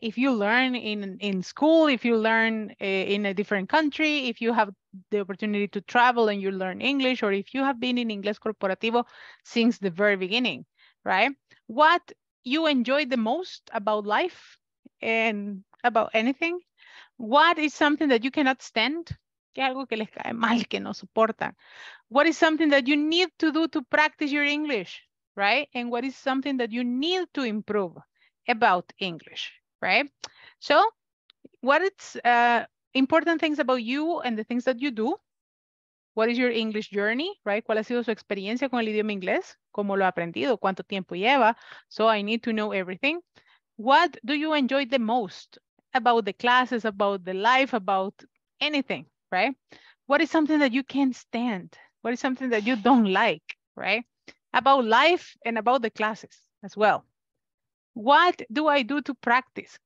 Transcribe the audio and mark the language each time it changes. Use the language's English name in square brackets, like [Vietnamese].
[English] If you learn in school, if you learn in a different country, if you have the opportunity to travel and you learn English, or if you have been in Inglés Corporativo since the very beginning, right? What you enjoy the most about life and about anything? What is something that you cannot stand? [Spanish] ¿Qué algo que les cae mal, que no soportan? [English] What is something that you need to do to practice your English, right? And what is something that you need to improve about English, right? So what it's important things about you and the things that you do. What is your English journey, right? [Spanish] ¿Cuál ha sido su experiencia con el idioma inglés? ¿Cómo lo ha aprendido? ¿Cuánto tiempo lleva? [English] So I need to know everything. What do you enjoy the most about the classes, about the life, about anything, right? What is something that you can't stand? What is something that you don't like, right? About life and about the classes as well. What do I do to practice?